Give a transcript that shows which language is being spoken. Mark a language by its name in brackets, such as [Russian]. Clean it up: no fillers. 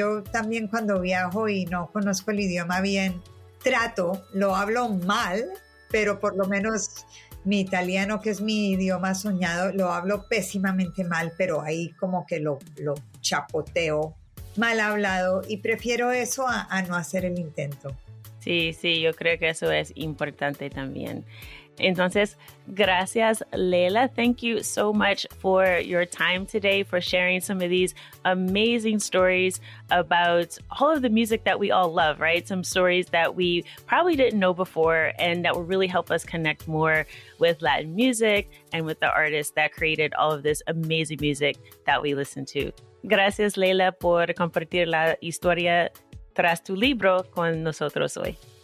[Spanish] Yo también cuando viajo y no conozco el idioma bien, trato, lo hablo mal, pero por lo menos mi italiano, que es mi idioma soñado, lo hablo pésimamente mal, pero ahí como que lo chapoteo mal hablado y prefiero eso a no hacer el intento. Sí, sí, yo creo que eso es importante también. Entonces, gracias, Leila. [English] Thank you so much for your time today, for sharing some of these amazing stories about all of the music that we all love, right? Some stories that we probably didn't know before and that will really help us connect more with Latin music and with the artists that created all of this amazing music that we listen to. [Spanish] Gracias, Leila, por compartir la historia tras tu libro con nosotros hoy.